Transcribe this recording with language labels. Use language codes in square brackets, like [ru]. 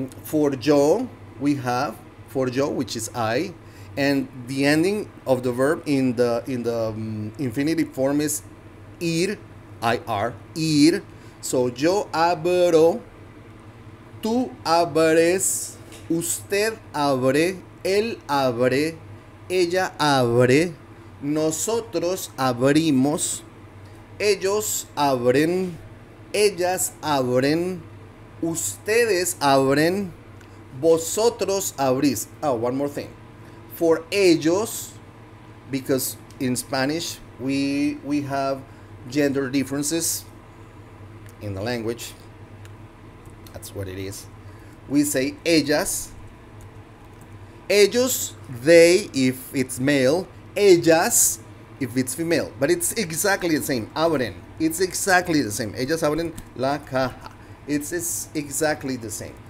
[en] For yo, we have for yo, which is I. And the ending of the verb in the infinitive form is ir, I-R, ir. [es] So yo abro, tú abres, usted abre, él abre, ella abre, nosotros abrimos, ellos abren, ellas abren, ustedes abren, vosotros abrís. [en] Oh, one more thing. For ellos, because in Spanish we have gender differences in the language, that's what it is, we say ellas, ellos, they, if it's male, ellas, if it's female, but it's exactly the same, abren, it's exactly the same, [es] ellas abren la caja, [en] it's exactly the same.